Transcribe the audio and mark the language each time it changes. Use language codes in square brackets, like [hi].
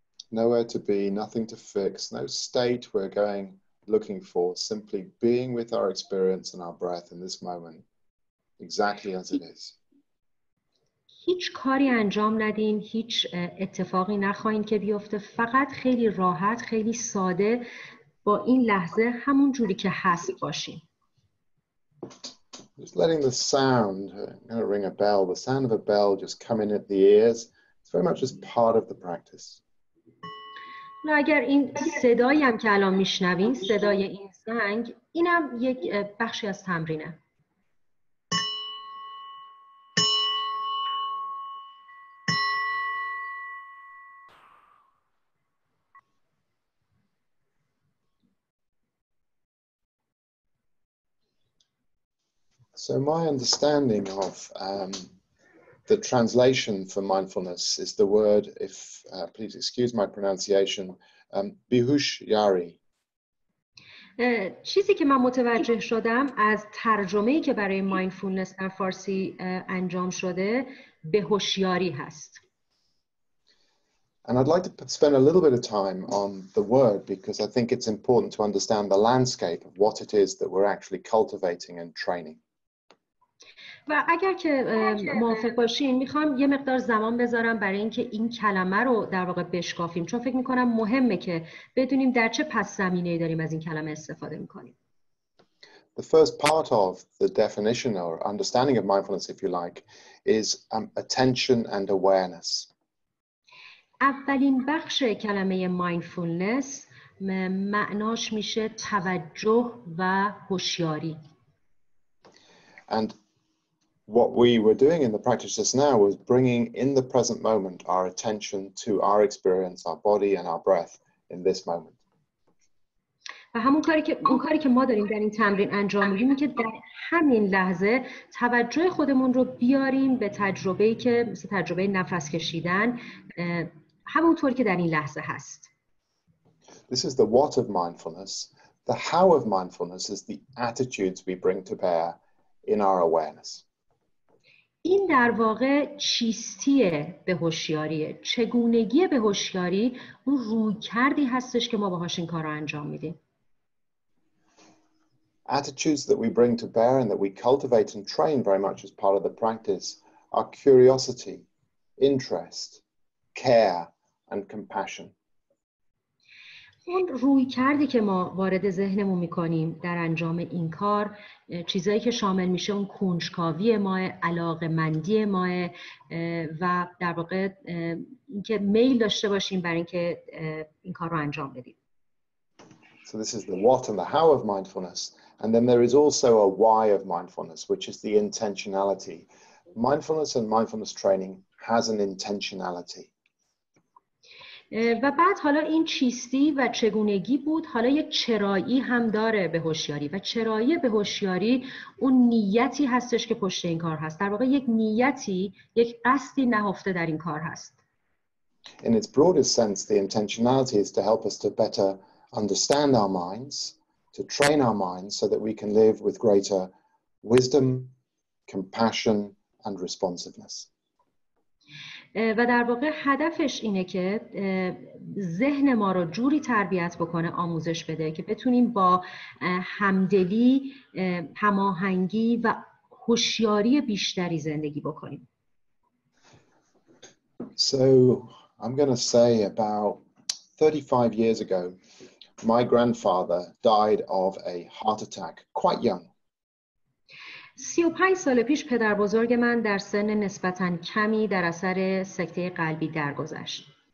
[en] Nowhere to be, nothing to fix, no state we're going looking for, simply being with our experience and our breath in this moment, exactly as it is. [fa] هیچ کاری انجام ندین، هیچ اتفاقی نخواهید که بیفته، فقط خیلی راحت، خیلی ساده با این لحظه همون جوری که هست باشین. [en] Just letting the sound, I'm going to ring a bell, the sound of a bell just coming at the ears. It's very much just part of the practice. [fa] نه اگر این صدایی هم که الان میشنوین، صدای این زنگ، اینم یک بخشی از تمرینه. [en] So my understanding of the translation for mindfulness is the word, if please excuse my pronunciation, bihushyari. [fa] چیزی که من متوجه شدم از ترجمه‌ای که برای mindfulness در فارسی انجام شده به هوشیاری هست. [en] And I'd like to spend a little bit of time on the word because I think it's important to understand the landscape of what it is that we're actually cultivating and training. [fa] و اگر که موافق باشین میخوام یه مقدار زمان بذارم برای اینکه این کلمه رو در واقع بشکافیم، چون فکر میکنم مهمه که بدونیم در چه پس زمینه ای داریم از این کلمه استفاده میکنیم. [en] The first part of the definition or understanding of mindfulness, if you like, is attention and awareness. [fa] اولین بخش کلمه mindfulness معناش میشه توجه و هوشیاری. [en] And what we were doing in the practice just now was bringing in the present moment our attention to our experience, our body and our breath in this moment. [fa] و همون کاری که ما داریم در این تمرین انجام میدیم که در همین لحظه توجه خودمون رو بیاریم به تجربه‌ای که مثل تجربه نفس کشیدن همون طور که در این لحظه هست. [en] This is the what of mindfulness. The how of mindfulness is the attitudes we bring to bear in our awareness. [fa] این در واقع چیستی به هوشیاریه، چگونگی به هوشیاری، اون رویکردی هستش که ما باهاش این کارو انجام میدیم. [en] Attitudes that we bring to bear and that we cultivate and train very much as part of the practice are curiosity, interest, care and compassion. [fa] اون رویکردی که ما وارد ذهنمون میکنیم در انجام این کار، چیزایی که شامل میشه اون کنجکاوی ما، علاقمندی ما و در واقع اینکه میل داشته باشیم برای اینکه این کار رو انجام بدیم. [en] So this is the what and the how of mindfulness, and then there is also a why of mindfulness, which is the intentionality. Mindfulness and mindfulness training has an intentionality. [fa] و بعد حالا این چیستی و چگونگی بود، حالا یک چرایی هم داره به هوشیاری، و چرایی به هوشیاری اون نیتی هستش که پشت این کار هست، در واقع یک نیتی، یک قصدی نهفته در این کار هست. [en] In its broadest sense, the intentionality is to help us to better understand our minds, to train our minds so that we can live with greater wisdom, compassion and responsiveness. [fa] و در واقع هدفش اینه که ذهن ما رو جوری تربیت بکنه، آموزش بده که بتونیم با همدلی، هماهنگی و هوشیاری بیشتری زندگی بکنیم. [en] So I'm going to say about 35 years ago my grandfather died of a heart attack quite young. [fa] 35 سال پیش پدر بزرگ من در سن نسبتاً کمی در اثر سکته قلبی درگذشت.